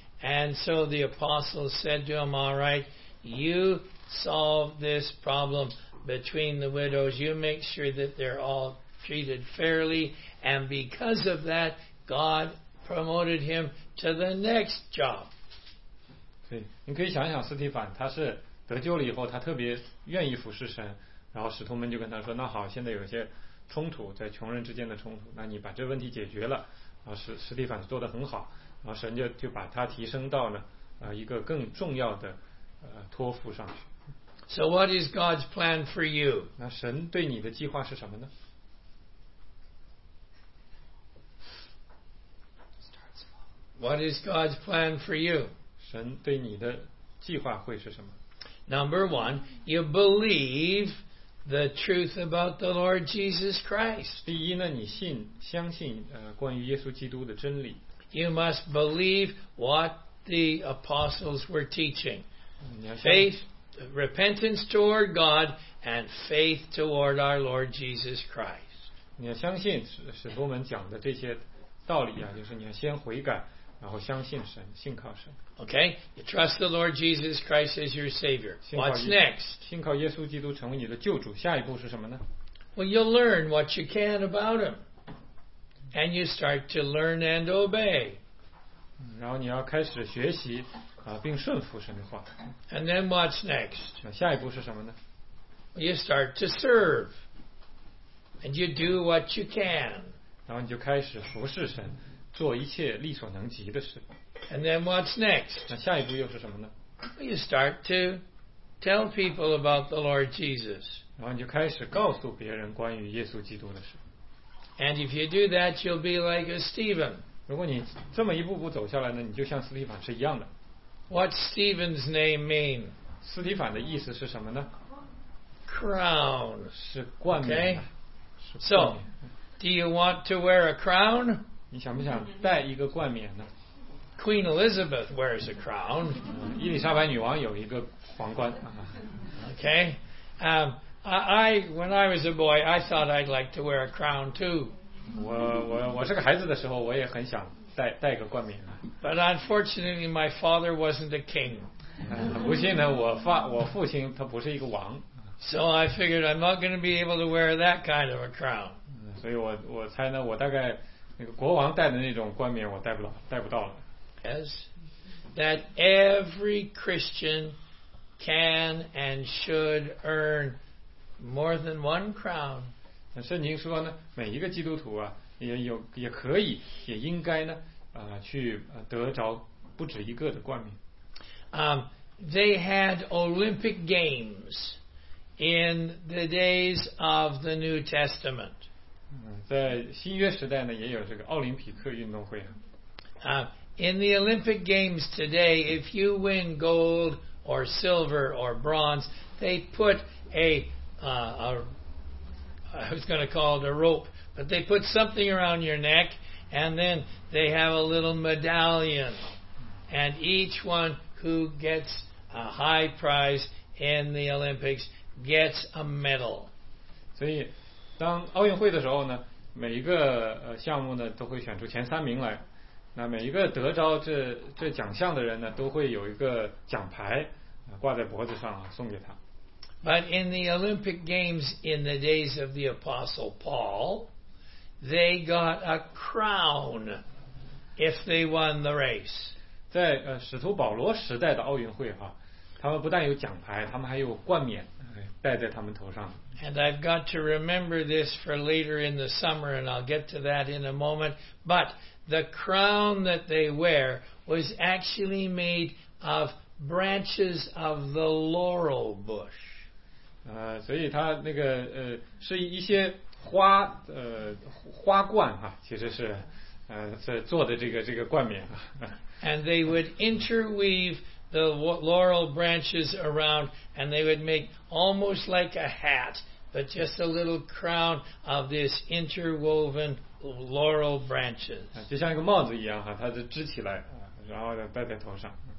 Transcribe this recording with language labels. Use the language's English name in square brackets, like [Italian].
[English] And so the apostles said to him, all right, you solve this problem between the widows. You make sure that they're all treated fairly. And because of that, God promoted him to the next job. [Chinese] 对，你可以想想斯提凡，他是得救了以后，他特别愿意服侍神。然后使徒们就跟他说，那好，现在有些冲突，在穷人之间的冲突，那你把这问题解决了。然后斯提凡做得很好。然后神就把他提升到了一个更重要的托付上去。 [English] So what is God's plan for you? [Chinese] 那神对你的计划是什么呢？ [English] What is God's plan for you? [Chinese] 神对你的计划会是什么？ [English] Number one, you believe the truth about the Lord Jesus Christ. [Chinese] 第一呢，你相信关于耶稣基督的真理。 [English] You must believe what the apostles were teaching. Faith, repentance toward God, and faith toward our Lord Jesus Christ. [Chinese] 你要相信使徒们讲的这些道理啊，就是你要先悔改，然后相信神，信靠神。 [English] Okay, you trust the Lord Jesus Christ as your Savior. What's next? [Chinese] 信靠耶稣基督成为你的救主，下一步是什么呢？ [English] Well, you'll learn what you can about him. And you start to learn and obey. [Chinese] 然后你要开始学习并顺服神的话。 [English] And then what's next? [Chinese] 下一步是什么呢？ [English] You start to serve. And you do what you can. [Chinese] 然后你就开始服侍神，做一切力所能及的事。 [English] And then what's next? [Chinese] 下一步又是什么呢？ [English] You start to tell people about the Lord Jesus. [Chinese] 然后你就开始告诉别人关于耶稣基督的事。 [English] And if you do that, you'll be like a Stephen. [Chinese] 如果你这么一步步走下来呢，你就像斯提凡是一样的。 [English] What's Stephen's name mean? [Chinese] 斯提凡的意思是什么呢？ [English] Crown. [Chinese] 是冠冕。 [English] Okay. [Chinese] 是冠冕。 [English] So, do you want to wear a crown? [Chinese] 你想不想戴一个冠冕呢？ [English] Queen Elizabeth wears a crown. [Chinese] 伊丽莎白女王有一个皇冠。 [English] Okay. I when I was a boy, I thought I'd like to wear a crown too. [Chinese] 我是个孩子的时候，我也很想戴个冠冕啊。 [English] But unfortunately, my father wasn't a king. [Chinese] 不幸呢，我父亲他不是一个王。 [English] So I figured I'm not going to be able to wear that kind of a crown. [Chinese] 所以我猜呢，我大概那个国王戴的那种冠冕，我戴不到了。 [English] Yes, that every Christian can and should earn. More than one crown. [Chinese] 圣经说呢，每一个基督徒啊，也可以，也应该呢，去得着不止一个的冠冕。 [English] They had Olympic games in the days of the New Testament. [Chinese] 在新约时代呢，也有这个奥林匹克运动会啊。 [English] In the Olympic games today, if you win gold or silver or bronze, they put put something around your neck, and then they have a little medallion, and each one who gets a high prize in the Olympics gets a medal. [Chinese] 所以当奥运会的时候呢，每一个项目呢都会选出前三名来，那每一个得着这奖项的人呢都会有一个奖牌挂在脖子上啊，送给他。 [English] But in the Olympic Games in the days of the Apostle Paul, they got a crown if they won the race. [Chinese] 在使徒保罗时代的奥运会哈，他们不但有奖牌，他们还有冠冕戴在他们头上。 [English] And I've got to remember this for later in the summer, and I'll get to that in a moment. But the crown that they wear was actually made of branches of the laurel bush. [Chinese] 所以他那个是一些花花冠哈，其实是做的这个冠冕。 [English] And they would interweave the laurel branches around, and they would make almost like a hat, but just a little crown of this interwoven laurel branches. [Chinese] 就像一个帽子一样哈，它就支起来，然后戴在头上。